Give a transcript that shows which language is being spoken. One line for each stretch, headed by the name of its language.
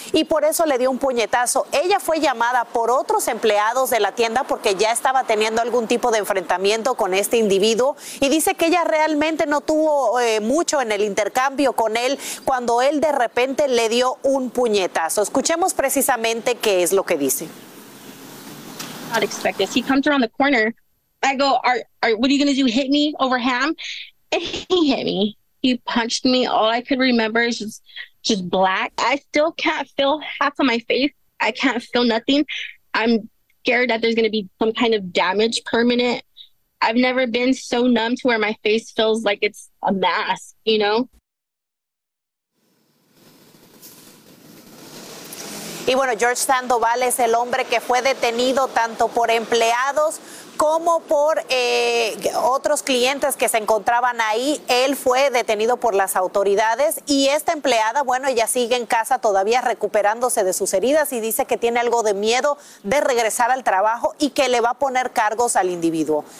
Spanish: Y por eso le dio un puñetazo. Ella fue llamada por otros empleados de la tienda porque ya estaba teniendo algún tipo de enfrentamiento con este individuo y dice que ella realmente no tuvo mucho en el intercambio con él cuando él de repente le dio un puñetazo. Escuchemos precisamente qué es lo que dice.
English: Not expect this. He comes around the corner. I go, what are you going to do? Hit me over ham? And he hit me. He punched me. All I could remember is just black. I still can't feel half of my face. I can't feel nothing. I'm scared that there's going to be some kind of damage permanent. I've never been so numb to where my face feels like it's a mask, you know?
Spanish: Y bueno, George Sandoval es el hombre que fue detenido tanto por empleados como por otros clientes que se encontraban ahí. Él fue detenido por las autoridades y esta empleada, bueno, ella sigue en casa todavía recuperándose de sus heridas y dice que tiene algo de miedo de regresar al trabajo y que le va a poner cargos al individuo.